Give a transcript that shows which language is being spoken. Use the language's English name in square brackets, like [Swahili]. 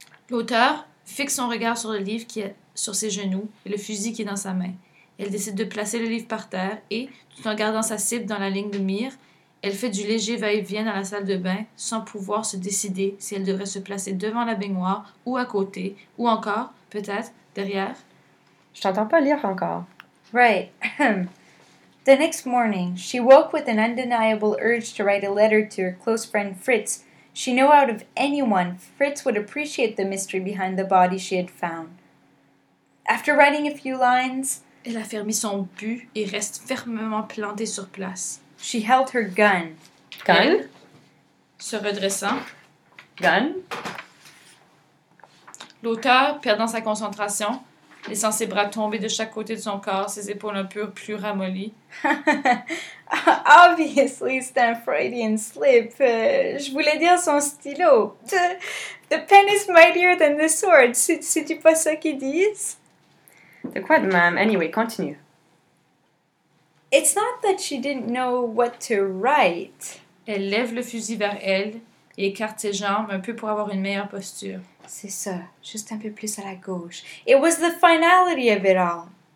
[French] L'auteur fixe son regard sur le livre qui est sur ses genoux et le fusil qui est dans sa main. Elle décide de placer le livre par terre et, tout en gardant sa cible dans la ligne de mire, elle fait du léger va-et-vient dans la salle de bain sans pouvoir se décider si elle devrait se placer devant la baignoire ou à côté, ou encore, peut-être, derrière. « Je t'entends pas lire encore. »« [English] Right. » The next morning, she woke with an undeniable urge to write a letter to her close friend Fritz. She knew out of anyone, Fritz would appreciate the mystery behind the body she had found. After writing a few lines, [French] elle a fermé son but et reste fermement plantée sur place. [English] She held her gun. Gun? Elle, [French] se redressant. [English] Gun? [French] L'auteur, perdant sa concentration, laissant ses bras tomber de chaque côté de son corps, ses épaules un peu plus ramollies. Obviously, c'est un Freudian slip. Je voulais dire son stylo. [English] The pen is mightier than the sword. [French] C'est-tu pas ça qu'ils disent? De quoi de même? Anyway, continue. [English] It's not that she didn't know what to write. [French] Elle lève le fusil vers elle et écarte ses jambes un peu pour avoir une meilleure posture. C'est ça, juste un peu plus à la gauche. [English] It was the finality of it all.